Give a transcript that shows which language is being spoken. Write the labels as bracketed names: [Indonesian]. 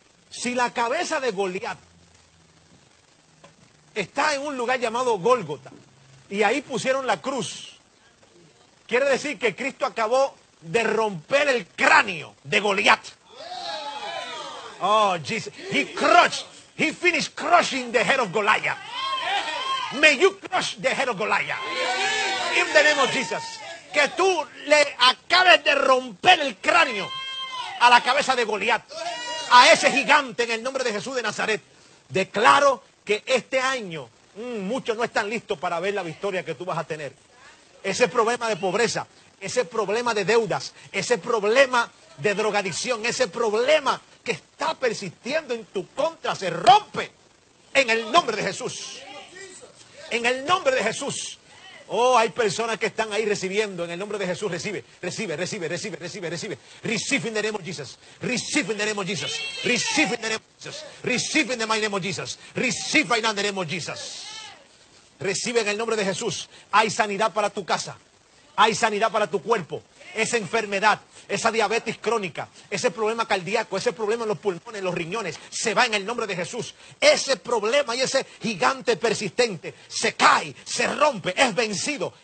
[Spanish] Si la cabeza de Goliat está en un lugar llamado Gólgota y ahí pusieron la cruz, quiere decir que Cristo acabó de romper el cráneo de Goliat. [English] Oh, Jesus. He finished crushing the head of Goliath. May you crush the head of Goliath. In the name of Jesus. [Spanish] Que tú le acabes de romper el cráneo a la cabeza de Goliat, a ese gigante, en el nombre de Jesús de Nazaret. Declaro que este año muchos no están listos para ver la victoria que tú vas a tener. Ese problema de pobreza, ese problema de deudas, ese problema de drogadicción, ese problema que está persistiendo en tu contra, se rompe en el nombre de Jesús. En el nombre de Jesús. Oh, hay personas que están ahí recibiendo. En el nombre de Jesús, recibe, recibe, recibe, recibe, recibe, recibe. [English] Receive in the name of Jesus. Receive in the name of Jesus. Receive in the name of Jesus. Receive in the name of Jesus. Receive in the name of Jesus. [Spanish] Recibe en el nombre de Jesús. Hay sanidad para tu casa. Hay sanidad para tu cuerpo. Esa enfermedad, esa diabetes crónica, ese problema cardíaco, ese problema en los pulmones, en los riñones, se va en el nombre de Jesús. Ese problema y ese gigante persistente se cae, se rompe, es vencido.